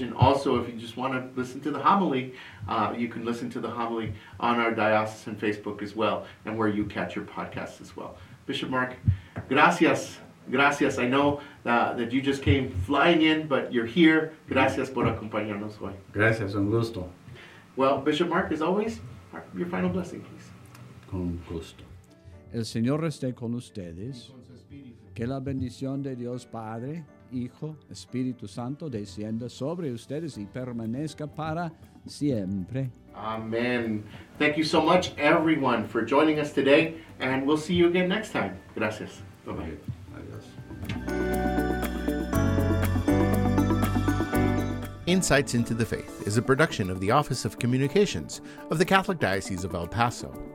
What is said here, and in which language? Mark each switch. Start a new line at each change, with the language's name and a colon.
English: And also, if you just want to listen to the homily, you can listen to the homily on our diocesan Facebook as well, and where you catch your podcasts as well. Bishop Mark,
Spanish: gracias. Gracias.
English: I know that you just came flying in, but you're here.
Spanish: Gracias por acompañarnos hoy. Gracias. Un gusto.
English: Well, Bishop Mark, as always, your final blessing, please.
Spanish: Con gusto. El Señor esté con ustedes. Que la bendición de Dios Padre, Hijo, Espíritu Santo descienda sobre ustedes y permanezca para siempre. Amen.
English: Thank you so much, everyone, for joining us today. And we'll see you again next time.
Spanish: Gracias.
English: Bye-bye.
Spanish: Adios.
English: Insights into the Faith is a production of the Office of Communications of the Catholic Diocese of El Paso.